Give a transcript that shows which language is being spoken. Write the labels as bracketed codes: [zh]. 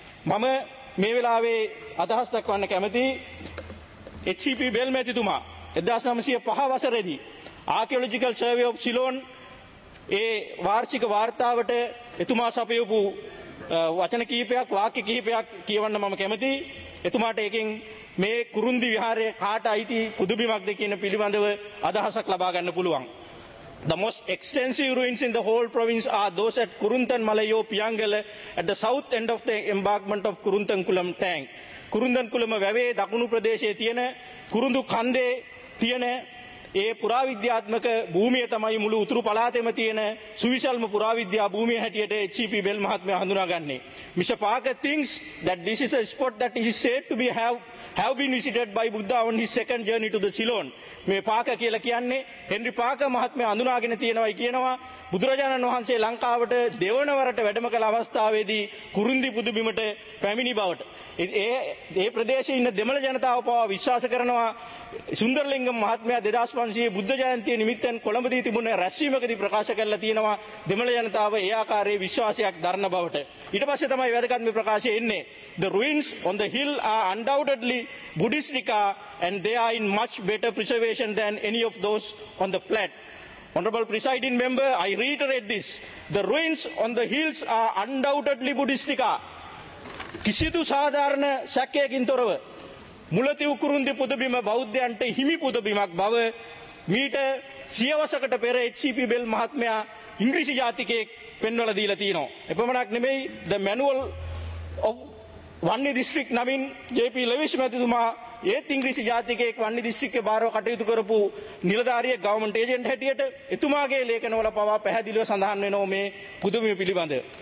[si] මම මේ වෙලාවේ අදහස් දක්වන්න කැමතියි HCP බෙල් මැතිතුමා 1905 වසරේදී ආකියොලොජිකල් සර්වේ ඔෆ් සිලෝන් ඒ වාර්ෂික වාර්තාවට එතුමා සපයපු වචන කීපයක්, වාක්‍ය කීපයක් කියවන්න මම කැමතියි. එතුමාට ඒකෙන් මේ කුරුන්දි විහාරයේ කාට අයිති පුදුබිමක්ද කියන පිළිබඳව අදහසක් ලබා ගන්න පුළුවන්. [en] The most extensive ruins in the whole province are those at Kurunthan Malayo Piyangala at the south end of the embankment of Kurunthan Kulam Tank. [si] Kurunthan Kulama Vave Dakunu Pradeshe Tiyana Kurundu Khande Tiyana ඒ පුරාවිද්‍යාත්මක භූමිය තමයි මුළු උතුරු පළාතේම තියෙන සුවිශල්ම පුරාවිද්‍යා භූමිය හැටියට HCP bell මහත්මයා හඳුනාගන්නේ. [en] Mr. Parker thinks that this is a spot that is said to be have been visited by Buddha on his second journey to the Ceylon. [si] මේ පාක කියලා කියන්නේ හෙන්රි පාක මහත්මයා හඳුනාගෙන තියෙනවායි කියනවා. බුදුරජාණන් වහන්සේ ලංකාවට දෙවනවරට වැඩම කළ අවස්ථාවේදී කුරුන්දි පුදුබිමට පැමිණි බවට, ඒ ප්‍රදේශයේ ඉන්න දෙමළ ජනතාව පවා විශ්වාස කරනවා. සුන්දරලිංගම් මහත්මයා 2500 බුද්ධ ජයන්තිය නිමිත්තෙන් කොළඹදී තිබුණ රැස්වීමකදී ප්‍රකාශ කරලා තියෙනවා දෙමළ ජනතාව ඒ ආකාරයේ විශ්වාසයක් දරන බවට. ඊට පස්සේ තමයි වැදගත් මේ ප්‍රකාශය එන්නේ. [en] The ruins on the hill are undoubtedly Buddhist relics and they are in much better preservation than any of those on the plat. Honorable presiding member, I reiterate this. The ruins on the hills are undoubtedly Buddhist relics. [si] කිසිදු සාධාරණ ශක්‍යකින් තොරව මුලතිව් කුරුන්දි පුදබිම බෞද්ධයන්ට හිමි පුදබිමක් බව මීට සියවසකට පෙර HCP bell මහත්මයා ඉංග්‍රීසි ජාතිකයේ පෙන්වලා දීලා තියෙනවා. එපමණක් නෙමෙයි, ද මැනුවල් ඔෆ් වන්නි දිස්ත්‍රික් නමින් JP ලෙවිස් මැතිතුමා ඒත් ඉංග්‍රීසි ජාතිකයේ වන්නි දිස්ත්‍රික්කේ බාරව කටයුතු කරපු නිලධාරියෙක් ගවර්න්මන්ට් ඒජන්ට් හැටියට එතුමාගේ ලේඛනවල පවා පැහැදිලිව සඳහන් වෙනවා මේ පුදබිම පිළිබඳ.